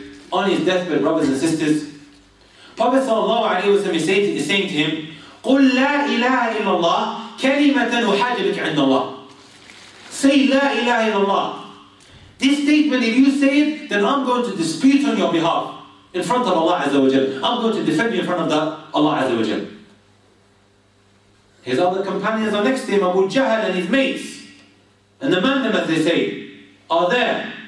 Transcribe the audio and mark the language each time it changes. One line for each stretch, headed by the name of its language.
English: On his deathbed, brothers and sisters, Prophet sallallahu alaihi wasallam is saying to him,
Arabic: قُلْ لَا إِلَهَ إِلَّا اللَّهِ كَلِمَةً أُحَاجِبِكَ عِنَّ اللَّهِ.
English: Say,
Arabic: لَا إِلَهَ إِلَّا اللَّهِ.
English: This statement, if you say it, then I'm going to dispute on your behalf in front of Allah Azza wa Jal. I'm going to defend you in front of the Allah Azza wa Jal. His other companions are next to him, Abu Jahl and his mates. And the mandam, as they say, are there.